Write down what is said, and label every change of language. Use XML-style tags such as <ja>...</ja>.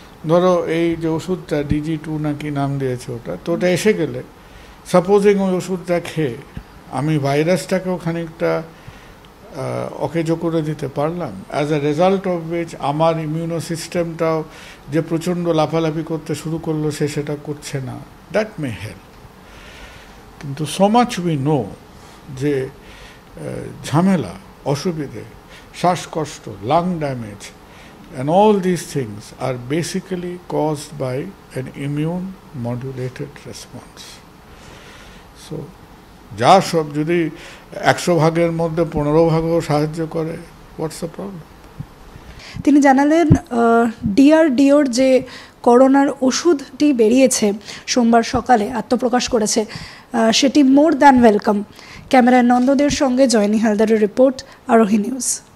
<bn>ধরো এই যে ওষুধটা DG2 নাকি নাম দিয়েছে ওটা, তো ওটা এসে গেলে সাপোজিং ওই ওষুধটা খেয়ে আমি ভাইরাসটাকেও খানিকটা অকেজো করে দিতে পারলাম,</bn> <en>as a result of which</en> <bn>আমার ইমিউনো সিস্টেমটাও যে প্রচণ্ড লাফালাফি করতে শুরু করলো সেটা করছে না,</bn> <en>That may help.</en> <bn>কিন্তু</bn> <en>so much we know</en> <bn>যে ঝামেলা, অসুবিধে, শ্বাসকষ্ট, lung damage,</bn> <en>and all these things are basically caused by an immune modulated response.</en> <bn>So যা সব যদি 100 ভাগের মধ্যে 15 ভাগও সাহায্য করে,</bn> <en>what's the problem?</en> <bn>তিনি জানালেন ডিআরডিওর যে করোনার ওষুধটি বেরিয়েছে সোমবার সকালে, আত্মপ্রকাশ করেছে, সেটি</bn> <en>More than welcome.</en> <bn>ক্যামেরায় নন্দদের সঙ্গে জয়নি হালদারের রিপোর্ট, আরোহী নিউজ।</bn>